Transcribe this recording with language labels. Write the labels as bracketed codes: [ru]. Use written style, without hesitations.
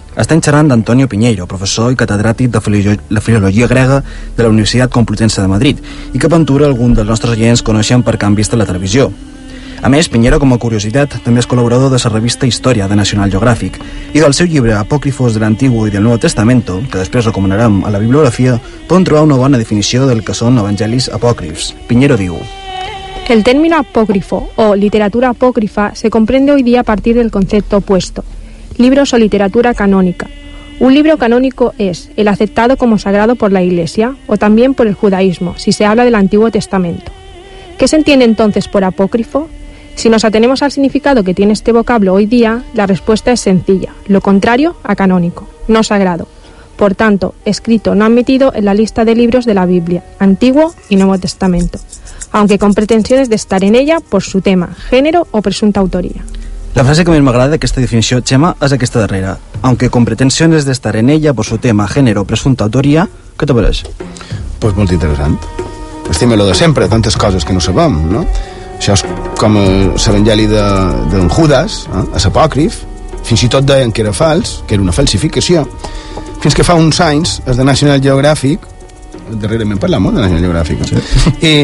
[ca] Estem xerrant d'Antonio Piñeiro, professor i catedràtic de la filologia grega de la Universitat Complutense de Madrid, i que aventura algun dels nostres oients coneixen per que han vist a la televisió. A més, Piñeiro, com a curiositat, també és col·laborador de la revista Història, de National Geographic, i del seu llibre Apòcrifos de l'Antiguo i del Nuevo Testamento, que després recomanarem a la bibliografia, podem trobar una bona definició del que són evangelis apòcrifs. Piñeiro diu... [es] El término apócrifo o literatura apócrifa se comprende hoy día a partir del concepto opuesto, libros o literatura canónica. Un libro canónico es el aceptado como sagrado por la Iglesia o también por el judaísmo, si se habla del Antiguo Testamento. ¿Qué se entiende entonces por apócrifo? Si nos atenemos al significado que tiene este vocablo hoy día, la respuesta es sencilla, lo contrario a canónico, no sagrado. Por tanto, escrito no admitido en la lista de libros de la Biblia, Antiguo y Nuevo Testamento, aunque con pretensiones de estar en ella por su tema, género o presunta autoría. [ca] La frase que més m'agrada d'aquesta definició, Xema, és aquesta darrera. [es] Aunque con pretensiones de estar en ella por su tema, género o presunta autoría, ¿qué te pareix? [ca] Pues molt interessant. Estime lo de sempre, tantes coses que no sabem, no? Això és com l'evangeli d'en Judas, és apòcrif. Fins i tot deien que era fals, que era una falsificació. Fins que fa uns anys, el de National Geographic, darrerament parlàvem molt de National Geographic, sí.